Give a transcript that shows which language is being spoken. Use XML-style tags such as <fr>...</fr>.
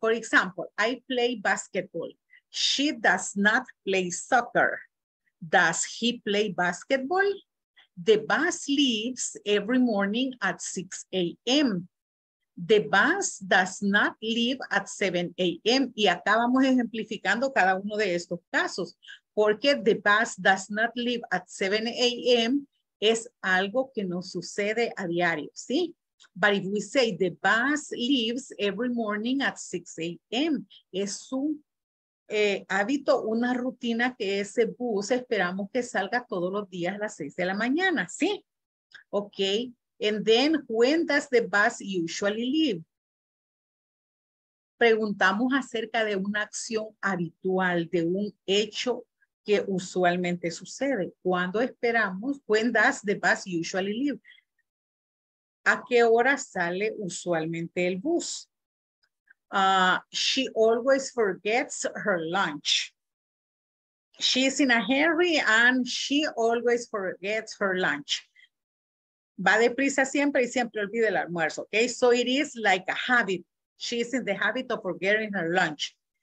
<en>For example, I play basketball. She does not play soccer. Does he play basketball? The bus leaves every morning at 6 a.m. the bus does not leave at 7 a.m.</en> <es>Y acá vamos ejemplificando cada uno de estos casos.</es> <en>Porque the bus does not leave at 7 a.m.</en> <es>es algo que nos sucede a diario, ¿sí?</es> <en>But if we say the bus leaves every morning at 6 a.m.,</en> <es>es un hábito, una rutina que ese bus esperamos que salga todos los días a las 6 de la mañana, ¿sí? Ok.</es> <en>And then, when does the bus usually leave?</en> <es>Preguntamos acerca de una acción habitual, de un hecho que usualmente sucede. ¿Cuándo esperamos?</es> <en>When does the bus usually leave?</en> <es>¿A qué hora sale usualmente el bus?</es> <en>She always forgets her lunch. She's in a hurry and she always forgets her lunch.</en> <es>Va deprisa siempre y siempre olvida el almuerzo.</es> <en>Okay, so it is like a habit. She's in the habit of forgetting her lunch.</en>